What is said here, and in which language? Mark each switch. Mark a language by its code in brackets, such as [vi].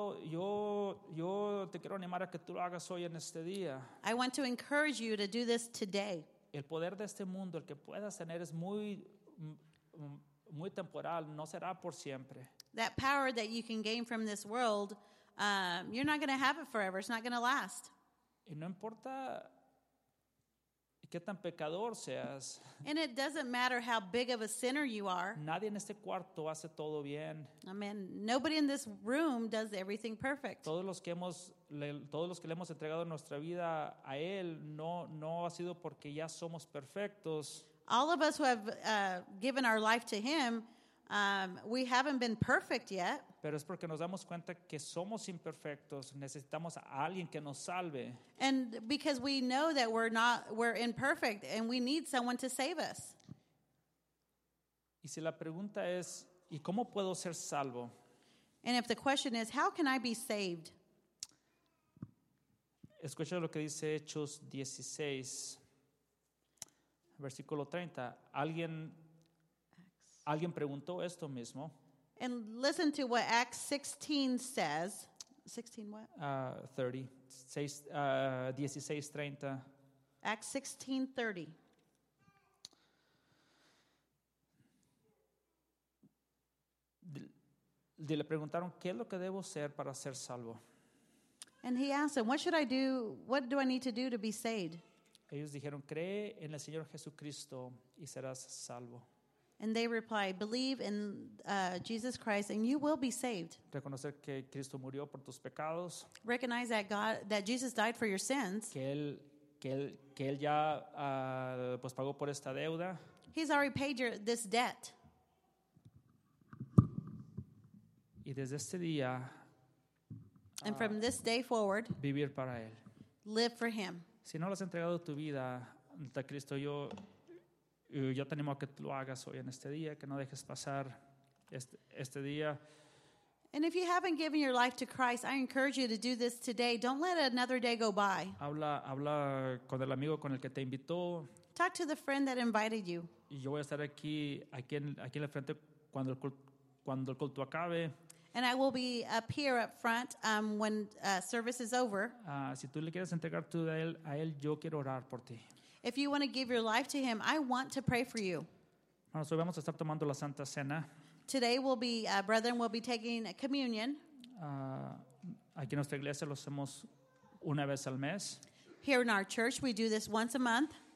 [es] Yo te quiero animar a que tú lo hagas hoy en este día. [en] I want to encourage you to do this today. [es] El poder de este mundo, el que puedas tener, es muy muy temporal, no será por siempre. [en] That power that you can gain from this world, you're not going to have it forever. It's not going to last. [es] Y no importa qué tan pecador seas. [en] And it doesn't matter how big of a sinner you are. [es] Nadie en este cuarto hace todo bien. [en] Amen. Nobody in this room does everything perfect. [es] Todos los que le hemos entregado nuestra vida a él, no ha sido porque ya somos perfectos. [en] All of us who have given our life to him, we haven't been perfect yet. [es] Pero es porque nos damos cuenta que somos imperfectos, necesitamos a alguien que nos salve. [en] And because we know that we're imperfect and we need someone to save us. [es] Y si la pregunta es, ¿y cómo puedo ser salvo? [en] And if the question is, how can I be saved? [es] Escucha lo que dice Hechos 16, versículo 30. Alguien preguntó esto mismo. [en] And listen to what Acts 16 says. 16 what? 16:30. Acts 16:30. [es] Le preguntaron, ¿qué es lo que debo hacer para ser salvo? [en] And he asked them, what should I do? What do I need to do to be saved? [es] Ellos dijeron, cree en el Señor Jesucristo y serás salvo. [en] And they replied, "Believe in Jesus Christ, and you will be saved." [es] Reconocer que Cristo murió por tus pecados. [en] Recognize that God, that Jesus died for your sins. [es] Que él ya pues pagó por esta deuda. [en] He's already paid your this debt. [es] Y desde este día. [en] And from this day forward. [es] Vivir para él. [en] Live for him. [es] Si no lo has entregado tu vida a Cristo, yo te animo a que lo hagas hoy en este día, que no dejes pasar este día. [en] And if you haven't given your life to Christ, I encourage you to do this today. Don't let another day go by. [es] Habla con el amigo con el que te invitó. [en] Talk to the friend that invited you. [es] Y yo voy a estar aquí en la frente cuando el culto acabe. [en] And I will be up here up front when service is over. [es] Si tú le quieres entregar tu vida a él, yo quiero orar por ti. [en] If you want to give your life to him, I want to pray for you. [es] Bueno, hoy vamos a estar tomando la Santa Cena. [en] Today we'll be, brethren, we'll be taking a communion. [es] Aquí en nuestra iglesia lo hacemos una vez al mes. [en] Here in our church, we do this once a month.